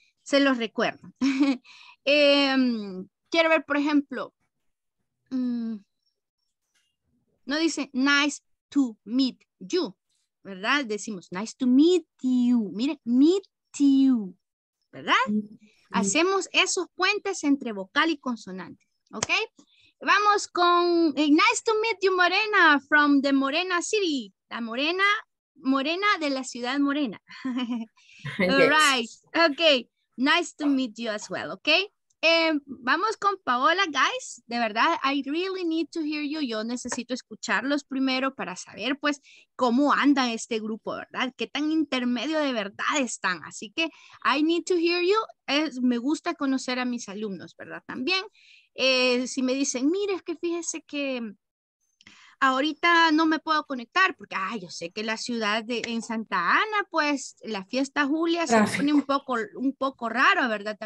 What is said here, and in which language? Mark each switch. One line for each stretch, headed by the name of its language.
Spanish: se los recuerdo. quiero ver, por ejemplo, no dice
English: nice to meet you,
Spanish: ¿verdad? Decimos
English: nice to meet you. Mire, meet you, ¿verdad?
Spanish: Hacemos esos puentes entre vocal y consonante, ¿ok? Vamos con
English: nice to meet you, Morena, from the Morena City.
Spanish: La Morena, Morena de la ciudad Morena.
English: All yes. Right, ok. Nice to meet you as well, ¿ok?
Spanish: Vamos con Paola,
English: guys.
Spanish: De verdad,
English: I really need to hear you.
Spanish: Yo necesito escucharlos primero para saber, pues, cómo anda este grupo, ¿verdad? Qué tan intermedio de verdad están. Así que,
English: I need to hear you.
Spanish: Me gusta conocer a mis alumnos, ¿verdad? También, si me dicen, mire, es que fíjese que ahorita no me puedo conectar porque, ay, yo sé que la ciudad de, en Santa Ana, pues, la fiesta Julia se pone un poco raro, ¿verdad?